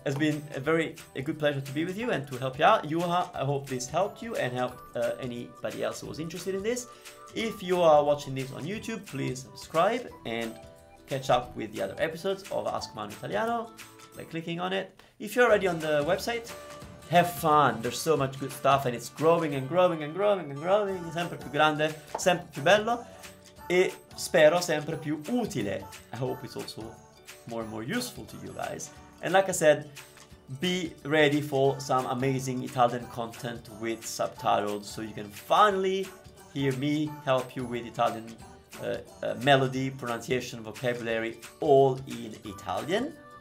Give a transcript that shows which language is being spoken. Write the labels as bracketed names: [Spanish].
[English] It's been a good pleasure to be with you and to help you out. I hope this helped you and helped anybody else who was interested in this. If you are watching this on YouTube, please subscribe and catch up with the other episodes of Ask Manu Italiano by clicking on it. If you're already on the website, have fun. There's so much good stuff and it's growing and growing and growing and growing. [Italian] Sempre più grande, sempre più bello e spero sempre più utile. [English] I hope it's also more and more useful to you guys. And like I said, be ready for some amazing Italian content with subtitles so you can finally hear me help you with Italian melody, pronunciation, vocabulary, all in Italian.